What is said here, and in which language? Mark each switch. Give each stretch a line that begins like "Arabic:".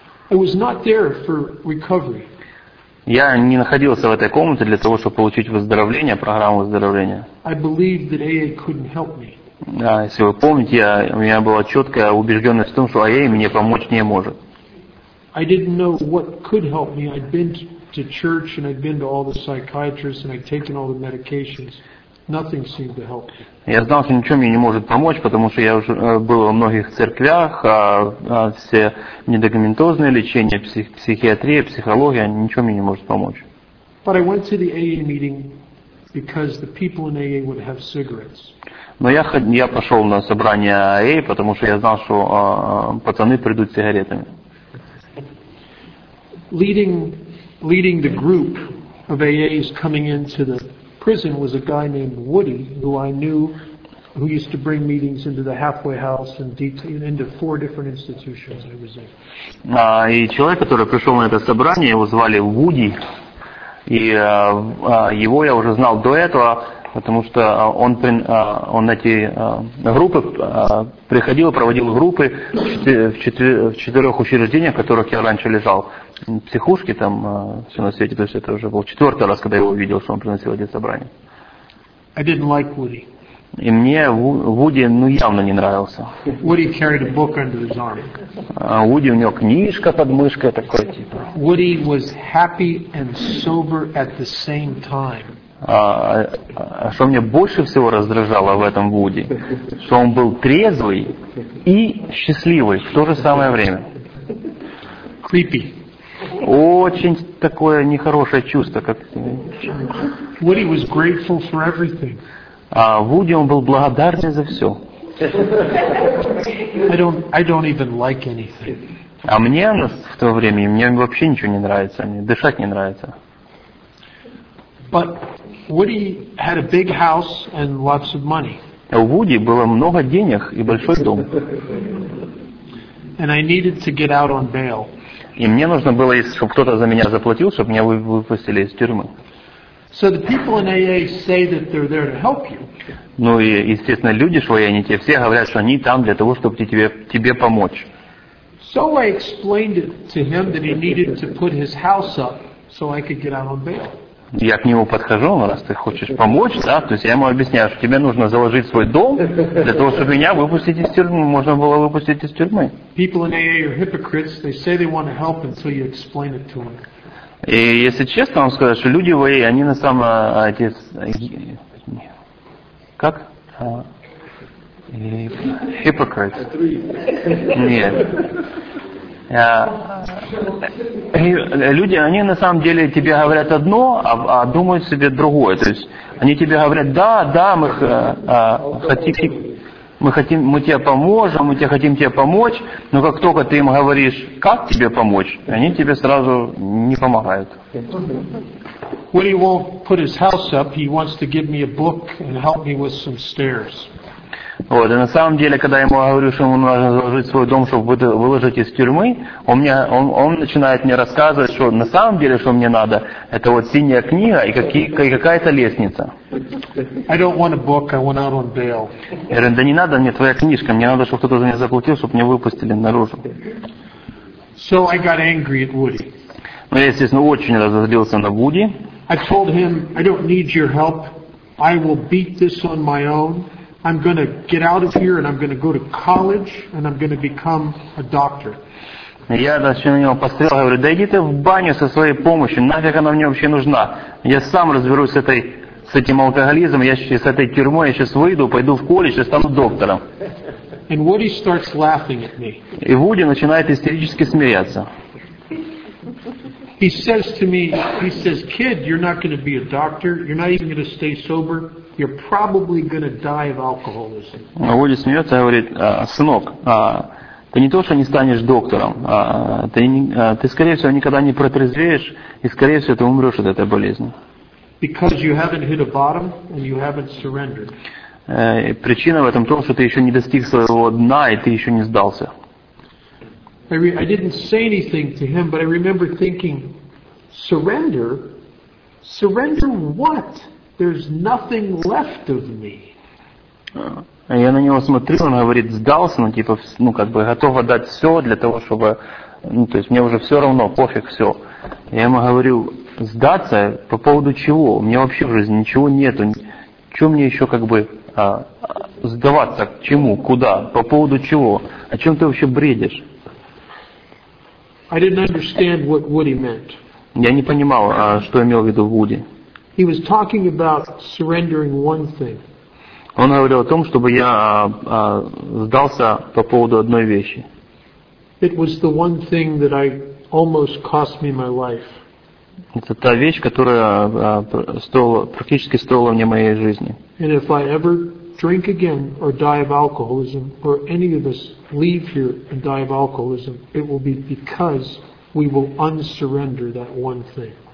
English: I was not there for recovery.
Russian: Я не находился в этой комнате для того, чтобы получить выздоровление, программу выздоровления.
English: I believed that AA couldn't help me.
Russian: Да, если вы помните, у меня была четкая убежденность в том, что AA мне помочь не может.
English: I didn't know what could help me. I'd been to church and I'd been to all the psychiatrists and I'd taken all the medications. Nothing seemed to help.
Russian: Я знал, что ничего мне не может помочь, потому что я уже был во многих церквях, все медикаментозные лечения, психиатрия, психология, ничего мне не может помочь.
English: But I went to the AA meeting because the people in AA would have cigarettes.
Russian: Но я пошел на собрание АА, потому что я знал, что пацаны придут с сигаретами.
English: Leading the group of AAs coming into the prison was a guy named Woody, who I knew, who used to bring meetings into the halfway house and into four different institutions I was in.
Russian: И человек, который пришел на это собрание, его звали Вуди, и его я уже знал до этого. Потому что он эти группы приходил, проводил группы в четырех учреждениях, в которых я раньше лежал. Психушки там, все на свете, то есть это уже был четвертый раз, когда я увидел, что он приносил эти собрания.
English: I didn't like Woody.
Russian: И мне Вуди явно не нравился.
English: Woody carried a book under his arm.
Russian: Вуди, у него книжка под мышкой такой, типа.
English: Woody was happy and sober at the same time.
Russian: Что меня больше всего раздражало в этом Вуди, что он был трезвый и счастливый в то же самое время.
English: Creepy.
Russian: Очень такое нехорошее чувство. Как...
English: Woody was grateful for everything.
Russian: Вуди, он был благодарен за все.
English: I don't even like anything.
Russian: А мне в то время, мне вообще ничего не нравится, мне дышать не нравится.
English: But Woody had a big house and lots of money.
Russian: У Вуди было много денег и большой дом.
English: And I needed to get out on bail.
Russian: И мне нужно было, чтобы кто-то за меня заплатил, чтобы меня выпустили из тюрьмы.
English: So the people in AA say that they're there to help you.
Russian: Ну и, естественно, люди, что они тебе все говорят, что они там для того, чтобы тебе помочь.
English: So I explained it to him that he needed to put his house up so I could get out on bail.
Russian: я к нему подхожу, ну, раз ты хочешь помочь, да, то есть я ему объясняю, что тебе нужно заложить свой дом для того, чтобы меня выпустить из тюрьмы, можно было выпустить из тюрьмы.
English: People in AA are hypocrites. They say they want to help until you explain it to them.
Russian: И если честно вам сказать, что люди в AA, они на самом отец, как?
English: Hypocrite.
Russian: Нет. Люди, они на самом деле тебе говорят одно, а думают себе другое. То есть они тебе говорят, да, да, мы тебе хотим помочь, но как только ты им говоришь, как тебе помочь, они тебе сразу не помогают.
English: Willie won't put his house up, he wants to give me a book and help me with some stairs.
Russian: Вот, и на самом деле, когда я ему говорю, что ему нужно заложить свой дом, чтобы выложить из тюрьмы, он начинает мне рассказывать, что на самом деле, что мне надо, это вот синяя книга и какая-то лестница.
English: I don't want a book, I went out on bail.
Russian: Я говорю, да не надо мне твоя книжка, мне надо, чтобы кто-то за меня заплатил, чтобы меня выпустили наружу.
English: So I got angry at Woody.
Russian: Ну, я, естественно, очень разозлился на Вуди.
English: I told him, I don't need your help, I will beat this on my own. I'm going to get out of here, and I'm going to go to college, and I'm going to become a doctor.
Russian: Я начал на него пострелял, говорю, да иди ты в баню со своей помощью, нафиг она мне вообще нужна. Я сам разберусь с этим алкоголизмом, я сейчас с этой тюрьмой, я сейчас выйду, пойду в колледж и стану доктором.
English: And Woody starts laughing at me.
Russian: И Вуди начинает истерически смеяться.
English: He says to me, he says, kid, you're not going to be a doctor, you're not even going to stay sober. You're probably going to die of alcoholism.
Russian: А Вуди смеется и говорит, сынок, ты не то, что не станешь доктором, ты скорее всего никогда не протрезвеешь и скорее всего ты умрешь от этой болезни.
English: Because you haven't hit a bottom and you haven't surrendered.
Russian: Причина в этом то, что ты еще не достиг своего дна и ты еще не сдался.
English: I didn't say anything to him, but I remember thinking, surrender? Surrender what? There's nothing left of me.
Russian: Я на него смотрю, он говорит, сдался, ну типа, ну как бы готов отдать все для того, чтобы, ну то есть мне уже все равно, пофиг все. Я ему говорю, сдаться по поводу чего? У меня вообще в жизни ничего нету. Чего мне еще как бы сдаваться? К чему? Куда? По поводу чего? О чем ты вообще бредишь?
English: I didn't understand what Woody meant.
Russian: Я не понимал, что имел в виду Вуди.
English: He was talking about surrendering one thing.
Russian: Он говорил о том, чтобы я сдался по поводу одной вещи.
English: It was the one thing that I almost cost me my life.
Russian: Это та вещь, которая практически стоила мне моей жизни.
English: And if I ever drink again or die of alcoholism, or any of us leave here and die of alcoholism, it will be because we will unsurrender that one thing.